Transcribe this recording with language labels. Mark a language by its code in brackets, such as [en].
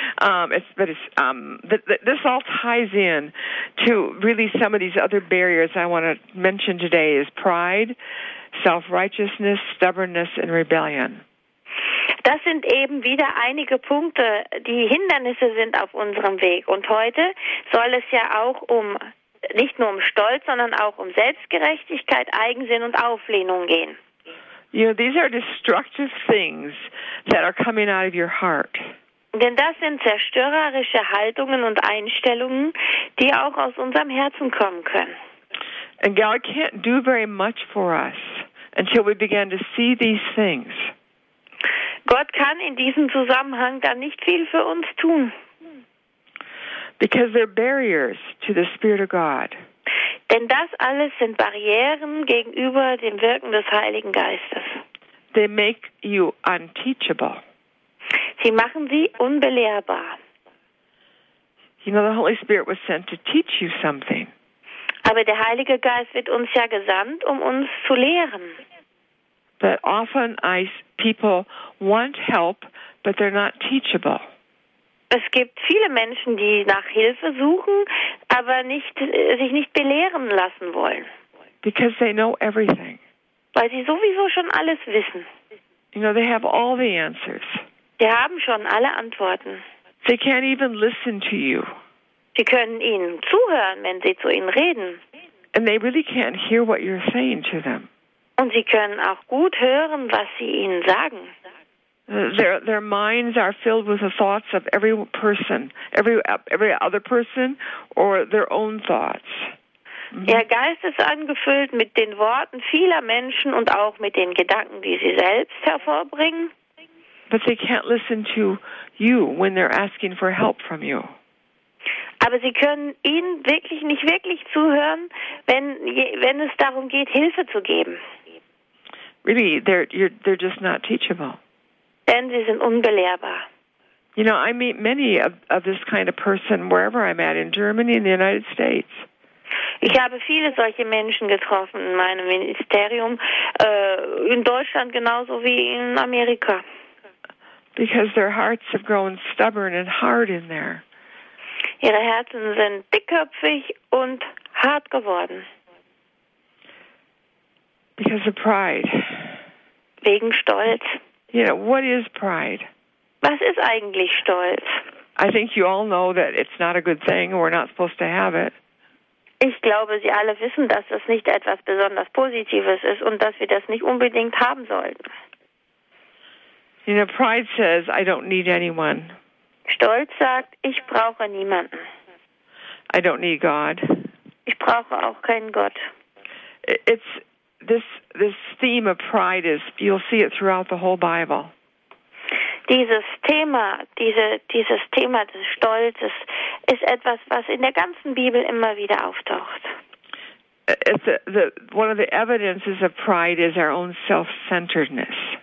[en] This all ties in to really some of these other barriers I want to mention today is pride, self-righteousness, stubbornness, and rebellion. [de] Das sind eben wieder einige Punkte, die Hindernisse sind auf unserem Weg. Und heute soll es ja auch um, nicht nur um Stolz, sondern auch um Selbstgerechtigkeit, Eigensinn und Auflehnung gehen. [en] You know, these are destructive things that are coming out of your heart. [de] Denn das sind zerstörerische Haltungen und Einstellungen, die auch aus unserem Herzen kommen können. [en] And God can't do very much for us until we begin to see these things. [de] Gott kann in diesem Zusammenhang dann nicht viel für uns tun. [en] Because they're barriers to the Spirit of God. [de] Denn das alles sind Barrieren gegenüber dem Wirken des Heiligen Geistes. [en] They make you unteachable. [de] Sie machen sie unbelehrbar. [en] You know, the Holy Spirit was sent to teach you something. [de] Aber der Heilige Geist wird uns ja gesandt, um uns zu lehren. [en] But often people want help, but they're not teachable. [de] Es gibt viele Menschen, die nach Hilfe suchen, aber sich nicht belehren lassen wollen. [en] Because they know everything. [de] Weil sie sowieso schon alles wissen. [en] You know, they have all the answers. [de] Sie haben schon alle Antworten. [en] They can't even listen to you. [de] Sie können ihnen zuhören, wenn sie zu ihnen reden. [en] And they really can't hear what you're saying to them. [de] Und sie können auch gut hören, was sie ihnen sagen. [en] Their minds are filled with the thoughts of every person, every other person, or their own thoughts. [de] Ihr Geist ist angefüllt mit den Worten vieler Menschen und auch mit den Gedanken, die sie selbst hervorbringen. [en] But they can't listen to you when they're asking for help from you. [de] Aber sie können ihnen wirklich nicht wirklich zuhören, wenn es darum geht, Hilfe zu geben. [en] Really, they're just not teachable. [de] Denn sie sind unbelehrbar. [en] You know, I meet many of this kind of person wherever I'm at, in Germany, in the United States. [de] Ich habe viele solche Menschen getroffen in meinem Ministerium, in Deutschland genauso wie in Amerika. [en] Because their hearts have grown stubborn and hard in there. [de] Ihre Herzen sind dickköpfig und hart geworden. [en] Because of pride. [de] Wegen Stolz. [en] You know, what is pride? [de] Was ist eigentlich Stolz? [en] I think you all know that it's not a good thing and we're not supposed to have it. [de] Ich glaube, Sie alle wissen, dass das nicht etwas besonders Positives ist und dass wir das nicht unbedingt haben sollten. [en] You know, pride says, I don't need anyone. [de] Stolz sagt, ich brauche niemanden. [en] I don't need God. [de] Ich brauche auch keinen Gott. [en] It's this theme of pride is, you'll see it throughout the whole Bible. [de] Dieses Thema des Stolzes ist etwas, was in der ganzen Bibel immer wieder auftaucht. [en] It's one of the evidences of pride is our own self-centeredness.